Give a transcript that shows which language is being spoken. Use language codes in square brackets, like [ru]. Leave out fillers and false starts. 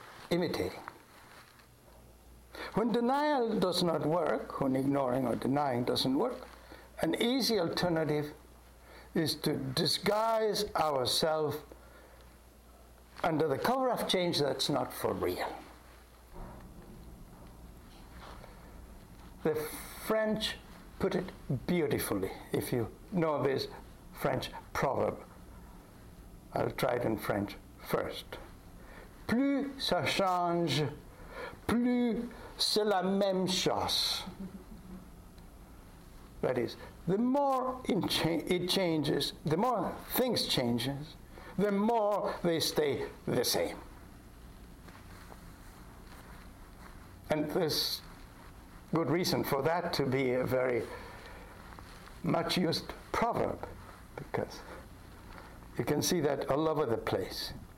[en] Imitating. When denial does not work, when ignoring or denying doesn't work, an easy alternative is to disguise ourselves under the cover of change that's not for real. The French put it beautifully, if you know this French proverb. I'll try it in French first. [fr] Plus ça change, plus c'est la même chose. [en] That is, the more it changes, the more things change, the more they stay the same. And there's good reason for that to be a very much used proverb, because you can see that all over the place.